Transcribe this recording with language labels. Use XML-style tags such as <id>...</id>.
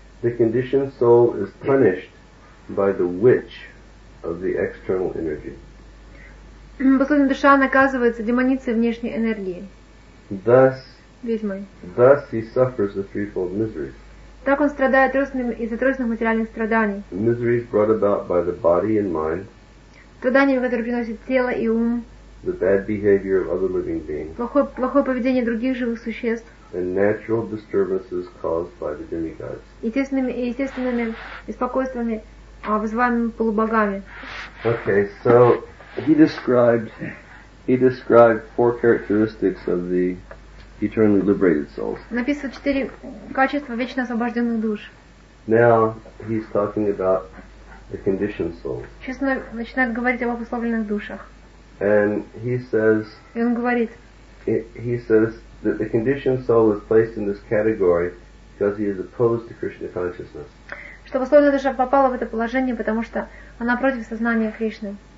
<en>The conditioned soul is punished by the witch of the external energy.</en> <ru>Обусловленная душа наказывается демоницей внешней энергии.</ru> <en>Thus he suffers the threefold miseries.</en> <ru>Так он страдает из-за тройственных материальных страданий.</ru> <en>Miseries brought about by the body and mind.</en> <ru>Страдания, которые приносят тело и ум.</ru> <en>The bad behavior of other living beings.</en> <ru>Плохое поведение других живых существ.</ru> <en>And natural disturbances caused by the demigods.</en> <ru>Естественными беспокойствами, вызываемыми полубогами.</ru> <en>Okay, so he described four characteristics of the eternally liberated souls.</en> <ru>Написал четыре качества вечно освобожденных душ.</ru> <en>Now he's talking about the conditioned souls.</en> <ru>Сейчас он начинает говорить об обусловленных душах.</ru> <en>And he says.</en> <ru>И он говорит.</ru> <en>He says that the conditioned soul is placed in this category because he is opposed to Krishna consciousness.</en> <ru>Что обусловленная душа попала в это положение, потому что она против сознания Кришны.</ru>